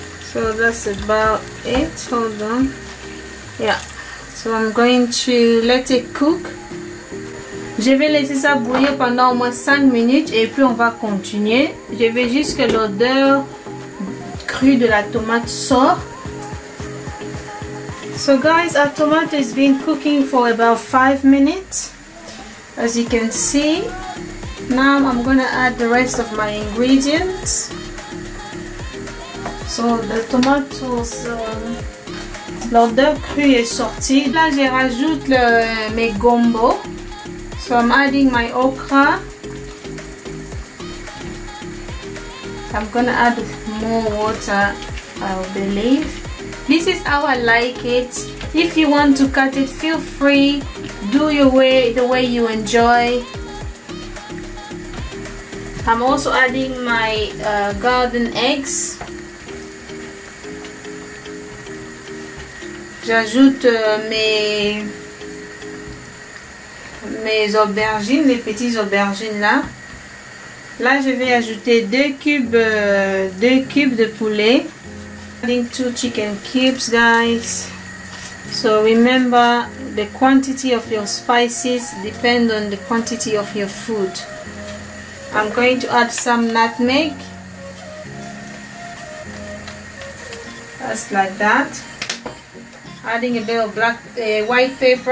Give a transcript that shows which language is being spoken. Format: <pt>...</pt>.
<en>So that's about it. Hold on. Yeah. So I'm going to let it cook.</en> <fr>Je vais laisser ça bouillir pendant au moins 5 minutes et puis on va continuer. Je veux juste que l'odeur crue de la tomate sort.</fr> <en>So guys, our tomato has been cooking for about 5 minutes. As you can see. Now I'm going to add the rest of my ingredients. So the tomatoes,</en> <fr>l'odeur crue est sortie. Là, je rajoute mes gombo.</fr> <en>So I'm adding my okra. I'm gonna add more water, I believe. This is how I like it. If you want to cut it, feel free. Do your way, the way you enjoy. I'm also adding my garden eggs.</en> <fr>J'ajoute mes aubergines, les petites aubergines là. Là, je vais ajouter deux cubes de poulet.</fr> <en>Adding 2 chicken cubes, guys. So remember, the quantity of your spices depends on the quantity of your food. I'm going to add some nutmeg. Just like that. Adding a bit of white pepper.</en>